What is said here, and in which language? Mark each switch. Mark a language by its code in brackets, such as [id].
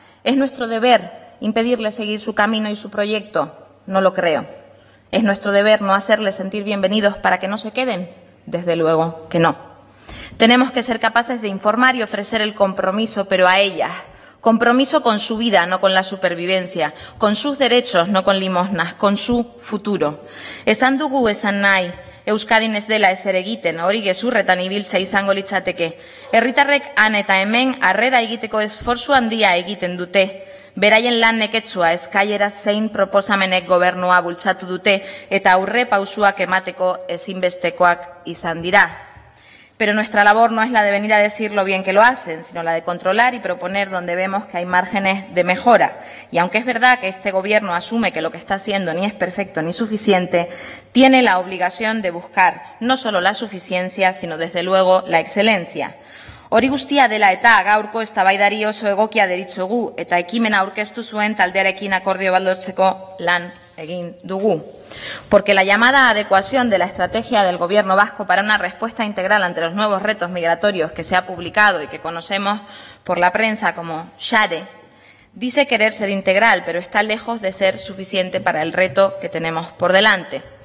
[es] ¿Es nuestro deber impedirles seguir su camino y su proyecto? No lo creo. ¿Es nuestro deber no hacerles sentir bienvenidos para que no se queden? Desde luego que no. Tenemos que ser capaces de informar y ofrecer el compromiso, pero a ellas. Compromiso con su vida, no con la supervivencia. Con sus derechos, no con limosnas. Con su futuro. [eu] Esan dugu esan nahi, Euskadin ez dela ezer egiten, hori gezurretan ibiltza izango litzateke. Herritarrek han eta hemen harrera egiteko esforzu handia egiten dute. Beraien lan neketsua eskailera zein proposamenek gobernua bultzatu dute eta aurre pausuak emateko ezinbestekoak izan dira. [es] Pero nuestra labor no es la de venir a decir lo bien que lo hacen, sino la de controlar y proponer donde vemos que hay márgenes de mejora. Y aunque es verdad que este gobierno asume que lo que está haciendo ni es perfecto ni suficiente, tiene la obligación de buscar no solo la suficiencia, sino desde luego la excelencia. [eu] Hori guztia dela eta gaurko eztabaidari oso egokia deritzogu eta ekimena aurkeztu zuen taldearekin akordio bat lortzeko lan egin dugu. [es] Porque la llamada adecuación de la estrategia del Gobierno Vasco para una respuesta integral ante los nuevos retos migratorios que se ha publicado y que conocemos por la prensa como SHARE, dice querer ser integral, pero está lejos de ser suficiente para el reto que tenemos por delante.